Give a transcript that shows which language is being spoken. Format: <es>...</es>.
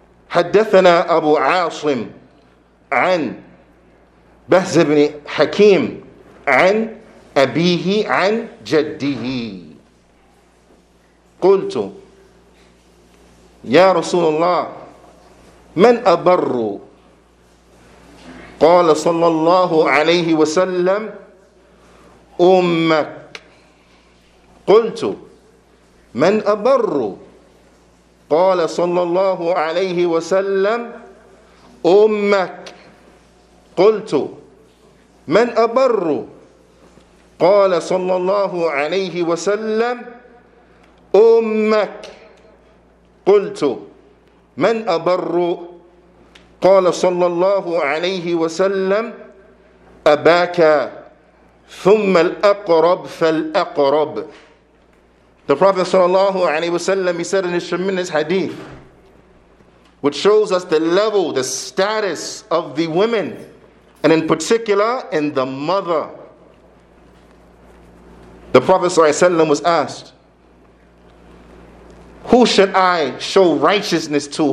<ar>Haddathana Abu Asim an Bahz ibn Hakim an Abihi an Jaddihi Qultu يا رسول الله من أبر قال صلى الله عليه وسلم أمك. قلت من أبر؟ قال صلى الله عليه وسلم أمك. قلت من أبر؟ قال صلى الله عليه وسلم أمك. قلت من أبر؟ قال صلى الله عليه وسلم أباك ثم الأقرب فالأقرب.</ar> <en>The Prophet sallallahu alayhi wasallam, he said in his tremendous hadith, which shows us the level, the status of the women, and in particular in the mother. The Prophet sallallahu alayhi wasallam was asked, who should I show righteousness to?</en>